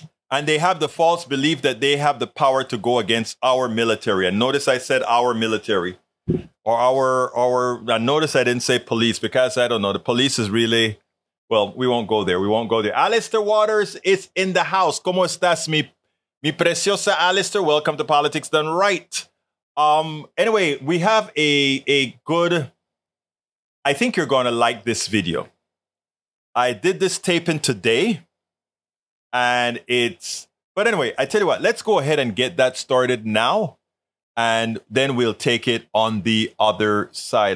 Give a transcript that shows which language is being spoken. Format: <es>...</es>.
<en>And they have the false belief that they have the power to go against our military. And notice I said our military. Or our. And notice I didn't say police because, I don't know, the police is really... Well, we won't go there. Alistair Waters is in the house.</en> <es>¿Cómo estás, mi preciosa Alistair?</es> <en>Welcome to Politics Done Right. Anyway, we have a good... I think you're going to like this video. I did this taping today, and it's... But anyway, I tell you what, let's go ahead and get that started now, and then we'll take it on the other side.</en>